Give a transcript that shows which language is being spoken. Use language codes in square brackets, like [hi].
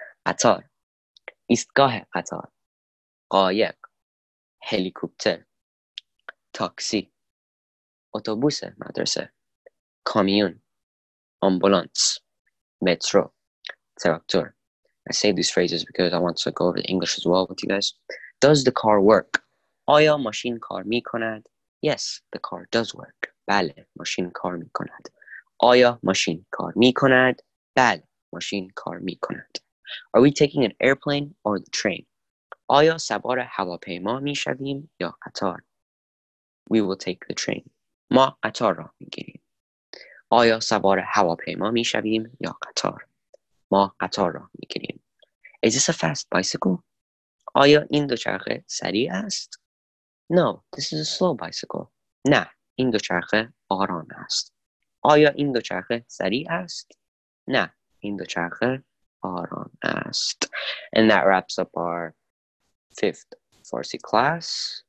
[fa] قطار, ایستگاه قطار, قایق, هلیکوپتر, تاکسی, اتوبوس مدرسه, کامیون, آمبولانس, مترو, تراکتور. [en] I save these phrases because I want to go over the English as well with you guys. Does the car work? [fa] آیا ماشین کار می کند? [en] Yes, the car does work. [fa] بله, ماشین کار می کند. آیا ماشین کار می کند? بله, ماشین کار می کند. [en] Are we taking an airplane or the train? [fa] آیا سوار هواپیما می شویم یا قطار? [en] We will take the train. [fa] ما قطار را می گیریم. آیا سوار هواپیما می شویم یا قطار؟ ما قطار را می گیریم. [en] Is this a fast bicycle? [fa] آیا این دوچرخه سریع است؟ [en] No, this is a slow bicycle. [fa] نه, این دوچرخه آرام است. آیا این دوچرخه سریع است؟ نه, این دوچرخه آرام است. [en] And that wraps up our fifth Farsi class.